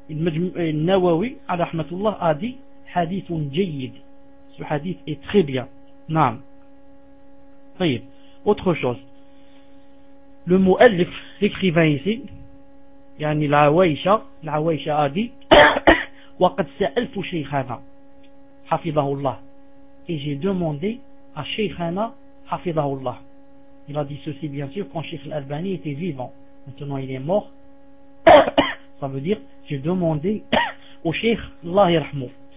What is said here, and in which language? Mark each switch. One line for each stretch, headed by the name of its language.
French: Al-Nawawi, rahmatullah, a dit
Arabic: hadithun jayyid.
French: Ce hadith est très bien. Naam. Voyez. Autre chose. Le mot alif, l'écrivain ici, yani la Aouaïcha a dit
Arabic: وقد سألت شيخنا حفظه الله.
French: Et j'ai demandé à Sheikhana Hafidahullah. Il a dit ceci, bien sûr, quand Sheikh Al-Albani était vivant. Maintenant, il est mort. Ça veut dire, j'ai demandé au Sheikh Allah Yirahmou.